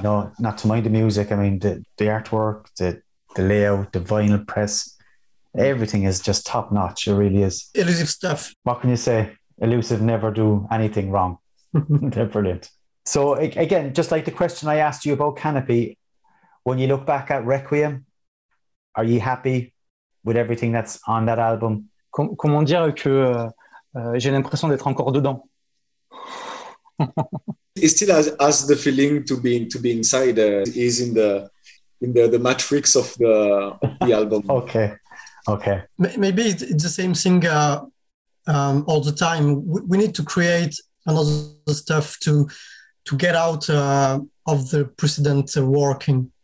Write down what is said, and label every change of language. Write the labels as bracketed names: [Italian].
[English] No, not to mind the music. I mean, the artwork, the layout, the vinyl press, everything is just top notch. It really is. Elusive stuff. What can you say? Elusive never do anything wrong. They're brilliant. So again, just like the question I asked you about Canopy, when you look back at Requiem, are you happy with everything that's on that album? [French] Comment dire que j'ai l'impression d'être encore dedans. [English] He still has the feeling to be inside. He's in the matrix of the album. Okay, okay. Maybe it's the same thing all the time. We need to create another stuff to get out of the precedent working.